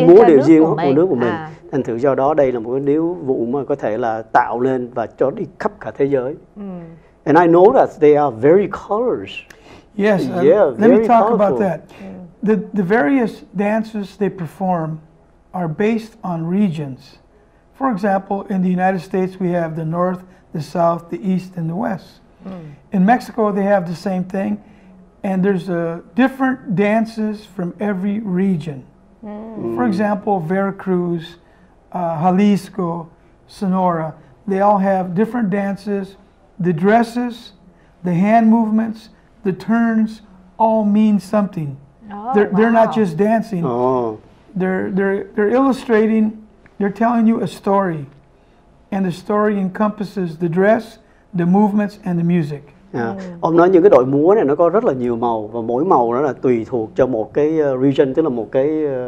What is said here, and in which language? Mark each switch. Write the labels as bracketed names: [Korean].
[Vietnamese] cái múa điệu riêng của nước của mình. Thành thử do đó đây là một cái điệu vụ mà có thể là tạo lên và cho đi khắp cả thế giới. [English] And I know that they are very colors. Yes, let me talk colorful. About that. The various dances they perform are based on regions. For example, in the United States we have the North, the South, the East and the West. In Mexico they have the same thing. And there's different dances from every region. For example, Veracruz, Jalisco, Sonora, they all have different dances. The dresses, the hand movements, the turns all mean something. They're not just dancing. They're illustrating, they're telling you a story. And the story encompasses the dress, the movements, and the music. [Vietnamese] Ông nói những cái đội múa này nó có rất là nhiều màu, và mỗi màu nó là tùy thuộc cho một cái region, tức là một cái